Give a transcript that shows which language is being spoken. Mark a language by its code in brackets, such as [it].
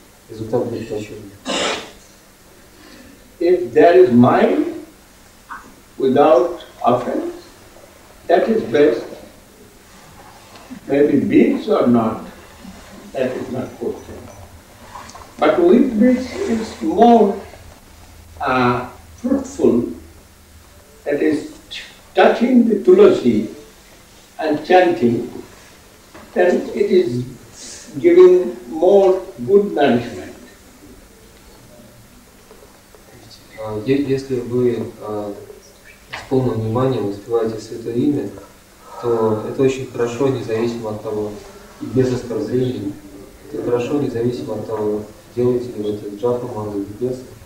[ru] Результат будет точнее. [en] If there is mind without offense, that is best. Maybe beats or not, that is not question. But with beats is more fruitful, that is touching the tulasi and chanting, then it is giving more good nourishment. [ru] Если вы с полным вниманием воспеваете Святое Имя, то это очень хорошо, независимо от того, и без оскорблений, это хорошо, независимо от того, делаете ли вы это джапа мала или без.